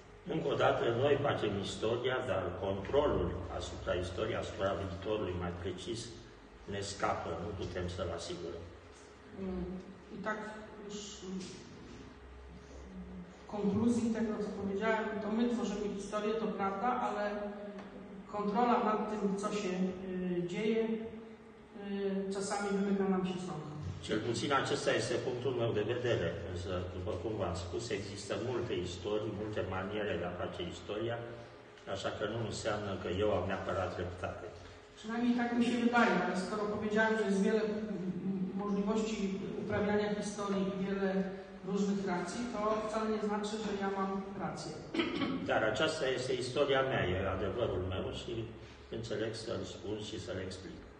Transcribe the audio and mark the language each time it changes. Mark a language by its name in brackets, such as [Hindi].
[Romanian] Încă o dată, noi facem istoria, dar controlul asupra istoriei, asupra viitorului mai precis, ne scapă, nu putem să-l asigurăm. [Polish] I tak już w concluzji tego, co powiedziałem, to my tworzymy historię, to prawda, ale kontrola nad tym, co się dzieje, czasami wymyka nam się sąd. [Romanian] Cel puțin acesta este punctul meu de vedere, însă, după cum v-am spus, există multe istorii, multe maniere de a face istoria, așa că nu înseamnă că eu am neapărat dreptate. [Polish] Przynajmniej tak mi się wydaje, skoro powiedziałem, że jest wiele możliwości uprawiania historii, wiele różnych racji, to wcale nie znaczy, że ja mam rację. [Romanian] Dar aceasta este istoria mea, e adevărul meu și înțeleg să-l spun și să-l explic.